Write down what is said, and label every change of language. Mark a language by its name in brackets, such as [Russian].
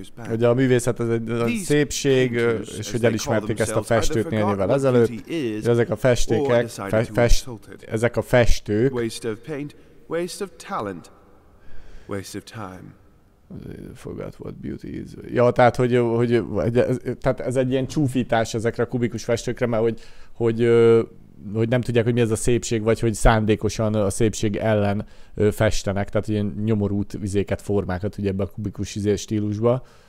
[Hungarian] Ugye a művészet az egy szépség, és hogy elismerték ezt a festőt néhány évvel ezelőtt. Ugye ezek a festékek, ezek a festők. [English] Waste of paint, waste of talent, waste of time. Forgot what beauty is. [Hungarian] Ja, tehát tehát ez egy ilyen csúfítás ezekre a kubikus festőkre, mert hogy nem tudják, hogy mi ez a szépség, vagy hogy szándékosan a szépség ellen festenek, tehát ilyen nyomorút vizéket, formákat ugye ebbe a kubikus stílusba.